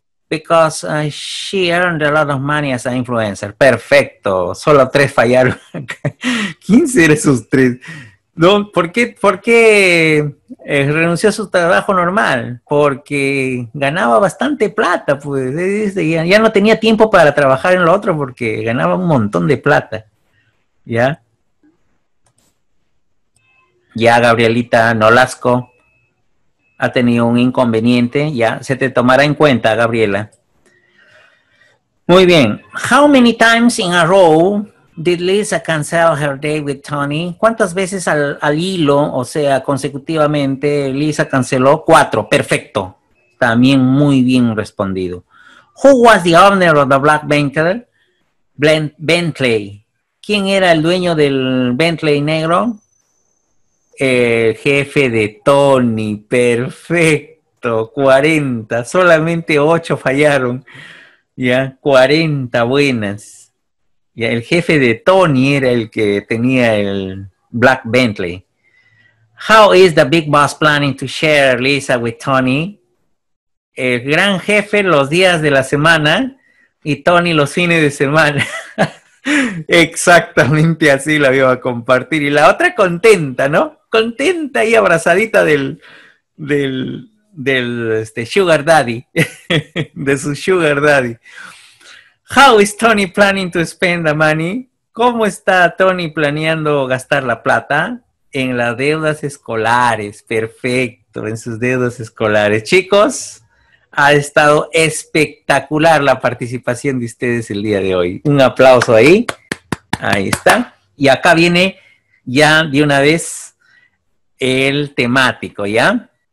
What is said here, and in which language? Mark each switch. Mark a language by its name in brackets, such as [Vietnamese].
[English] Because she earned a lot of money as an influencer. [Spanish] Perfecto. Solo 3 fallaron. ¿Quién será esos 3? No, ¿por qué renunció a su trabajo normal? Porque ganaba bastante plata, pues. Ya no tenía tiempo para trabajar en lo otro porque ganaba un montón de plata. ¿Ya? Ya, Gabrielita Nolasco ha tenido un inconveniente. Ya, se te tomará en cuenta, Gabriela. Muy bien. [English] How many times in a row did Lisa cancel her day with Tony? [Spanish] ¿Cuántas veces al hilo, o sea, consecutivamente, Lisa canceló? 4. Perfecto. También muy bien respondido. [English] Who was the owner of the Black Bentley? [Spanish] Bentley. ¿Quién era el dueño del Bentley negro? El jefe de Tony, perfecto, 40, solamente 8 fallaron, ya, 40 buenas, ya, el jefe de Tony era el que tenía el Black Bentley. [English] How is the Big Boss planning to share Lisa with Tony? [Spanish] El gran jefe los días de la semana y Tony los fines de semana. Exactamente así la iba a compartir. Y la otra contenta, ¿no? Contenta y abrazadita del Sugar Daddy, de su Sugar Daddy. [English] How is Tony planning to spend the money? [Spanish] ¿Cómo está Tony planeando gastar la plata? En las deudas escolares, perfecto, en sus deudas escolares. Chicos, ha estado espectacular la participación de ustedes el día de hoy. Un aplauso ahí. Ahí está. Y acá viene ya de una vez el temático, ¿ya?